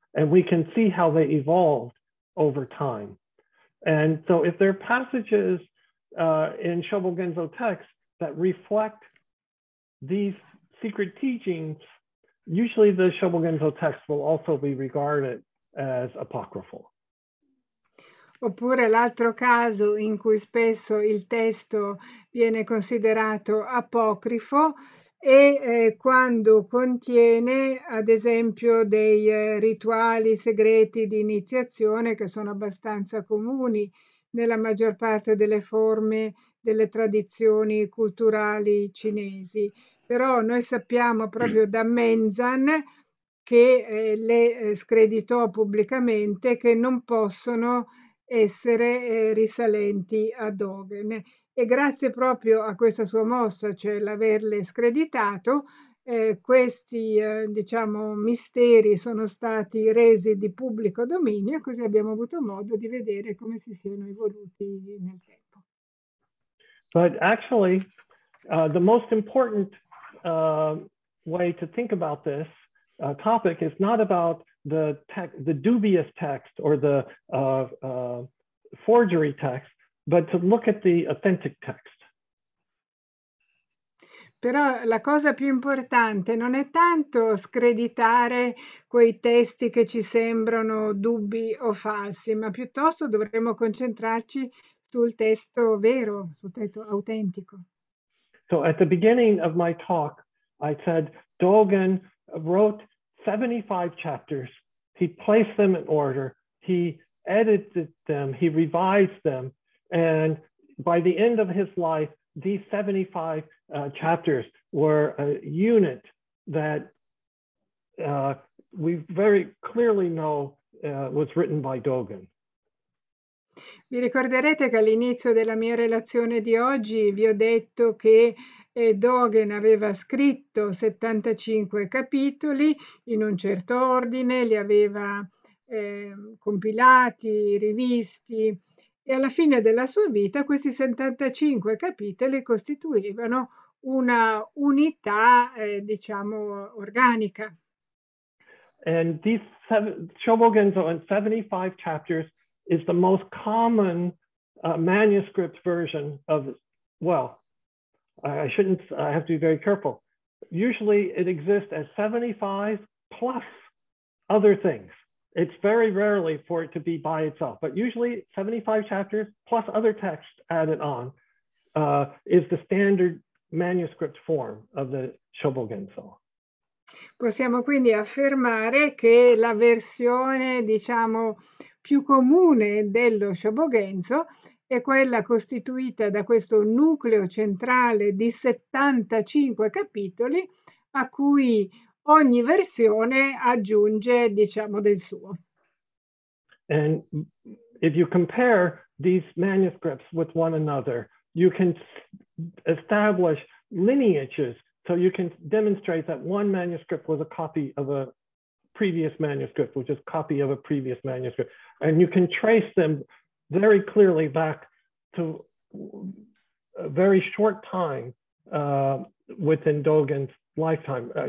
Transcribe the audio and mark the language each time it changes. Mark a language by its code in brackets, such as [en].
[en] And we can see how they evolved over time. And so if there are passages in Shobo Genzo texts that reflect these secret teachings, usually the Shobo Genzo texts will also be regarded as apocryphal. [it] Oppure l'altro caso in cui spesso il testo viene considerato apocrifo e quando contiene, ad esempio, dei rituali segreti di iniziazione che sono abbastanza comuni nella maggior parte delle forme delle tradizioni culturali cinesi. Però noi sappiamo proprio da Menzan, che le screditò pubblicamente, che non possono essere risalenti a Dogen. E grazie proprio a questa sua mossa, cioè l'averle screditato, questi diciamo misteri sono stati resi di pubblico dominio, così abbiamo avuto modo di vedere come si siano evoluti nel tempo. [en] But actually, the most important way to think about this topic is not about the dubious text or the forgery text, but to look at the authentic text. [it] Però la cosa più importante non è tanto screditare quei testi che ci sembrano dubbi o falsi, ma piuttosto dovremmo concentrarci sul testo vero, sul testo autentico. [en] So at the beginning of my talk, I said Dogen wrote 75 chapters, he placed them in order, he edited them, he revised them, and by the end of his life, these 75 chapters were a unit that we very clearly know was written by Dogen. [it] Vi ricorderete che all'inizio della mia relazione di oggi vi ho detto che Dogen aveva scritto 75 capitoli in un certo ordine, li aveva compilati, rivisti, e alla fine della sua vita questi 75 capitoli costituivano una unità, diciamo, organica. [en] And these Shobo Genzo in 75 chapters is the most common manuscript version of, well, I shouldn't, I have to be very careful. Usually it exists as 75 plus other things. It's very rarely for it to be by itself, but usually 75 chapters plus other texts added on is the standard manuscript form of the Shobo Genzo. [it] Possiamo quindi affermare che la versione, diciamo, più comune dello Shobo Genzo è quella costituita da questo nucleo centrale di 75 capitoli a cui ogni versione aggiunge, diciamo, del suo. [en] And if you compare these manuscripts with one another, you can establish lineages, so you can demonstrate that one manuscript was a copy of a previous manuscript, which is a copy of a previous manuscript, and you can trace them very clearly back to a very short time within Dogen's lifetime.